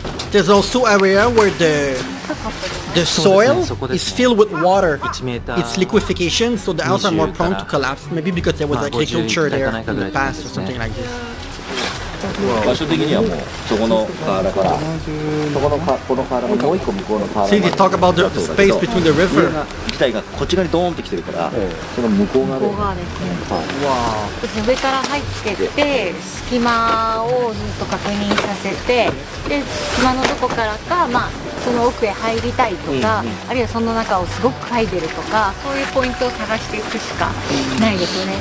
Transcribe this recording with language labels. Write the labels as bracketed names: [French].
[English] There's also area where the soil is filled with water. It's liquefaction, so the houses are more prone to collapse. Maybe because there was agriculture there in the past or something like this. [Japanese] 場所的にはもうそこの河原から、そこのこの河原からもう一個向こうの河原。 [English] See, they talk about the space between the river. [Japanese] 自体がこちらにドーンってきてるから、その向こう側で。向こう側ですね。はい。わあ。上から入ってって隙間をずっと確認させて。で隙間のどこからか、まあ、その奥へ入りたいとか、あるいはその中をすごく嗅いでるとか、そういうポイントを探していくしかないですよね。